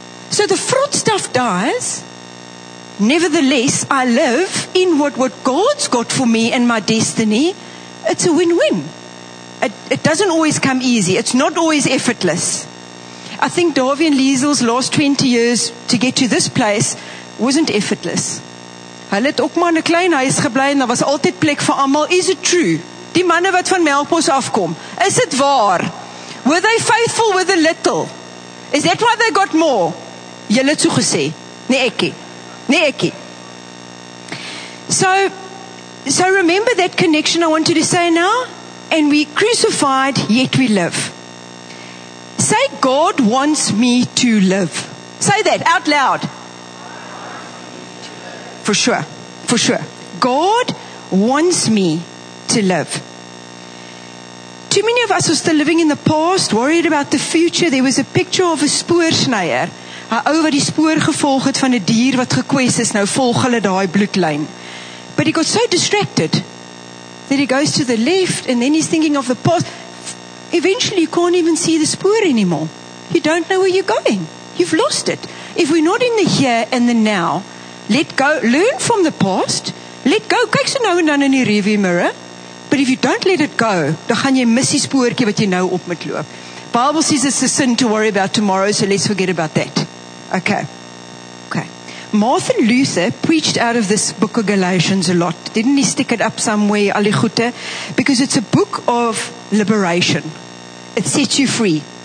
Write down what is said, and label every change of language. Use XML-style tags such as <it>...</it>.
<en>So the fraud stuff dies. Nevertheless, I live in what God's got for me and my destiny. It's a win-win. It doesn't always come easy. It's not always effortless. I think Darby and Liesel's last 20 years to get to this place wasn't effortless.</en> <af>Hulle het ook maar in 'n klein huis gebly en daar was altyd plek vir almal.</af> <en>Is it true?</en> <af>Die manne wat van Melkbos afkom.</af> <en>Is it</en> <af>waar?</af> <en>Were they faithful with a little? Is that why they got more?</en> <af>Julle het so gesê. Nee ekkie.</af> <en>Nee ekkie. So remember that connection I wanted to say now? And we crucified, yet we live. Say, God wants me to live. Say that out loud. For sure. God wants me to live. Too many of us are still living in the past, worried about the future. There was a picture of a spoorsnyer.</en> <af>Hy ou wat die spoor gevolg het van 'n dier wat gekwes is, nou volg hulle daai bloedlyn.</af> <en>But he got so distracted that he goes to the left and then he's thinking of the past. Eventually you can't even see the spoor anymore. You don't know where you're going. You've lost it. If we're not in the here and the now, let go, learn from the past, let go.</en> <af>Kyk so nou en dan in die</af> <en>rearview mirror. But if you don't let it go,</en> <af>dan gaan jy mis die spoortjie wat jy nou op moet loop.</af> <en>Bible says it's a sin to worry about tomorrow, so let's forget about that. Okay. Martin Luther preached out of this book of Galatians a lot. Didn't he stick it up somewhere,</en> <af>al die goede?</af> <en>Because it's a book of liberation. It sets you free.</en>